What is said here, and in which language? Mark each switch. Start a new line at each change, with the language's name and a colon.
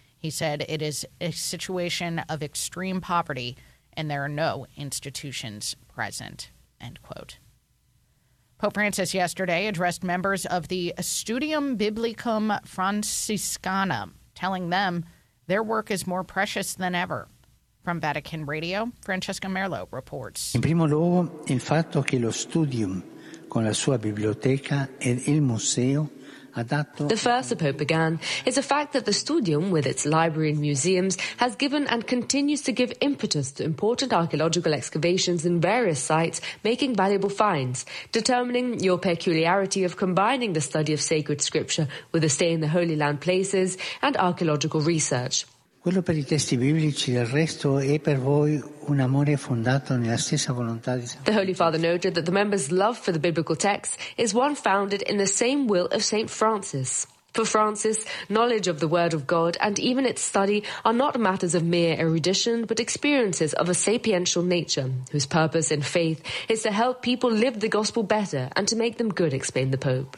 English: He said it is a situation of extreme poverty and there are no institutions present, end quote. Pope Francis yesterday addressed members of the Studium Biblicum Franciscanum, telling them their work is more precious than ever. From Vatican Radio, Francesca Merlo reports.
Italian: In primo luogo, il fatto che lo Studium con la sua biblioteca e il museo.
English: The first the Pope began is the fact that the Studium, with its library and museums, has given and continues to give impetus to important archaeological excavations in various sites, making valuable finds, determining your peculiarity of combining the study of sacred scripture with a stay in the Holy Land places and archaeological research.
Italian: Quello per I testi biblici, il resto è per voi un amore fondato nella stessa volontà di.
English: The Holy Father noted that the members' love for the biblical texts is one founded in the same will of Saint Francis. For Francis, knowledge of the Word of God and even its study are not matters of mere erudition, but experiences of a sapiential nature, whose purpose in faith is to help people live the gospel better and to make them good, explained the Pope.